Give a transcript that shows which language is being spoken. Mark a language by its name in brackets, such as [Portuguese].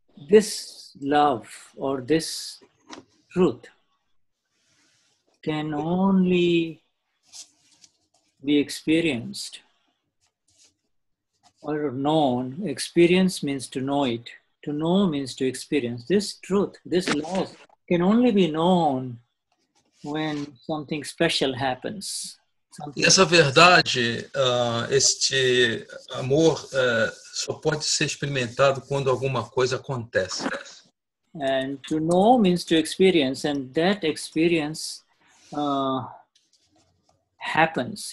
[English] This love or this truth can only be experienced or known. Experience means to know it. To know means to experience. This truth, this love, can only be known when something special happens. [Portuguese] Essa verdade, este amor, só pode ser experimentado quando alguma coisa acontece. [English] And to know means to experience, and that experience happens.